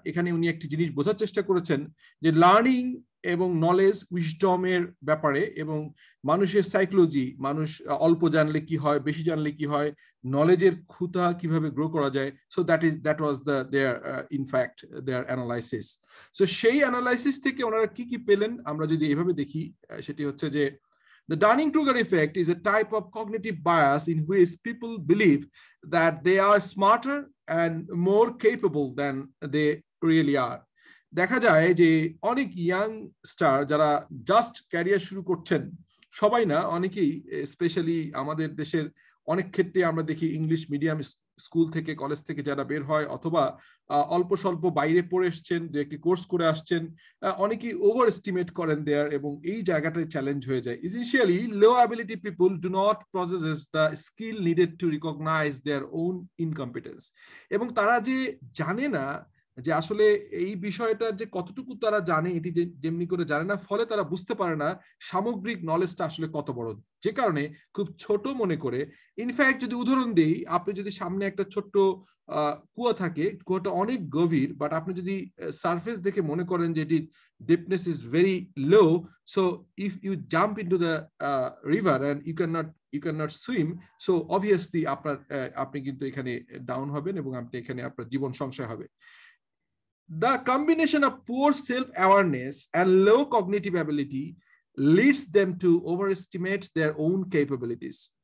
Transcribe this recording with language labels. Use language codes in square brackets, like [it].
[bn] এখানে উনি একটি জিনিস বোঝার চেষ্টা করেছেন যে লার্নিং এবং নলেজ উইজডমের ব্যাপারে এবং মানুষের সাইকোলজি, মানুষ অল্প জানলে কি হয়, বেশি জানলে কি হয়, নলেজের খুঁটা কিভাবে গ্রো করা যায়। [en] So that was their in fact their analysis. [bn] So সেই অ্যানালাইসিস থেকে ওনারা কি কি পেলেন আমরা যদি এভাবে দেখি, সেটি হচ্ছে যে [en] the Dunning-Kruger effect is a type of cognitive bias in which people believe that they are smarter and more capable than they really are. [bn] dekha jay je onek young star jara just career shuru korchen sobai na onekei, especially amader desher onek khetre amra dekhi english medium school থেকে college থেকে যারা বের হয় অথবা অল্প স্বল্প বাইরে পড়ে এসছেন, দু একটি কোর্স করে আসছেন, অনেকেই ওভার এস্টিমেট করেন দেয়ার এবং এই জায়গাটায় চ্যালেঞ্জ হয়ে যায়। [en] essentially low ability people do not process the skill needed to recognize their own incompetence, [bn] এবং তারা যে জানে না যে আসলে এই বিষয়টার যে কতটুকু তারা জানে, এটি যেমনি করে জানে না, ফলে তারা বুঝতে পারে না সামগ্রিক নলেজটা আসলে কত বড়, যে কারণে খুব ছোট মনে করে। ইনফ্যাক্ট যদি উদাহরণ দিই, আপনি যদি সামনে একটা ছোট্ট কুয়া থাকে, কুয়াটা অনেক গভীর, বাট আপনি যদি সারফেস দেখে মনে করেন যে এটির [en] deepness is very low, so if you jump into the river and you can not swim, [bn] so obviously আপনি কিন্তু এখানে ডাউন হবেন এবং আপনি এখানে আপনার জীবন সংশয় হবে। [en] The combination of poor self-awareness and low cognitive ability leads them to overestimate their own capabilities.